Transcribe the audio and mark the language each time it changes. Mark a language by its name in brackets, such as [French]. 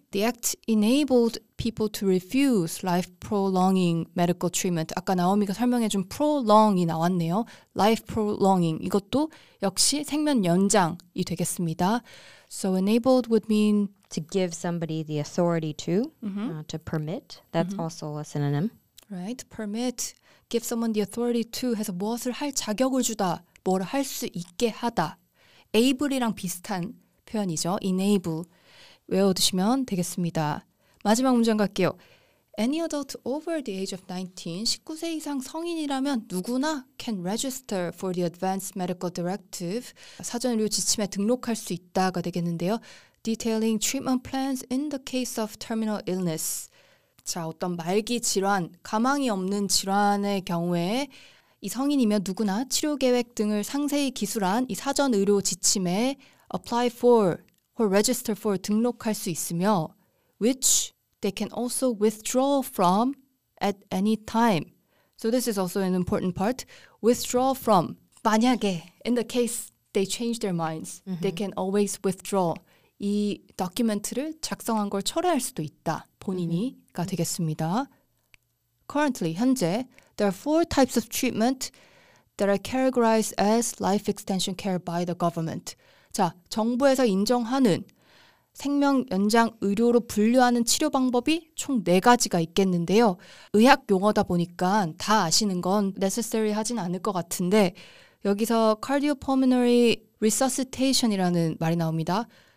[English] The act enabled people to refuse life prolonging medical treatment. [Korean] 아까 나오미가 설명해 준 prolong이 나왔네요. [English] Life prolonging. [Korean] 이것도 역시 생명 연장이 되겠습니다. [English] So enabled would mean to give somebody the authority to, mm-hmm. To permit. That's mm-hmm. also a synonym. Right. Permit. Give someone the authority to [Korean] 해서 무엇을 할 자격을 주다. 뭘 할 수 있게 하다. able이랑 비슷한 표현이죠. enable. 외워두시면 되겠습니다. 마지막 문장 갈게요. [English] Any adult over the age of 19, [Korean] 19세 이상 성인이라면 누구나 [English] can register for the advanced medical directive. [Korean] 사전 의료 지침에 등록할 수 있다가 되겠는데요. [English] Detailing treatment plans in the case of terminal illness. [Korean] 자, 어떤 말기 질환, 가망이 없는 질환의 경우에 이 성인이면 누구나 치료 계획 등을 상세히 기술한 이 사전 의료 지침에 [English] apply for or register for [Korean] 등록할 수 있으며 [English] which they can also withdraw from at any time. So this is also an important part. Withdraw from. 만약에 in the case they change their minds, mm-hmm. they can always withdraw. [Korean] 이 document를 작성한 걸 철회할 수도 있다. 본인이가 mm-hmm. 되겠습니다. [English] Currently, 현재 there are four types of treatment that are categorized as life extension care by the government. [Korean] 자, 정부에서 인정하는 생명 연장 의료로 분류하는 치료 방법이 총 네 가지가 있겠는데요. 의학 용어다 보니까 다 아시는 건 necessary 하진 않을 것 같은데 여기서 cardiopulmonary resuscitation이라는 말이 나옵니다.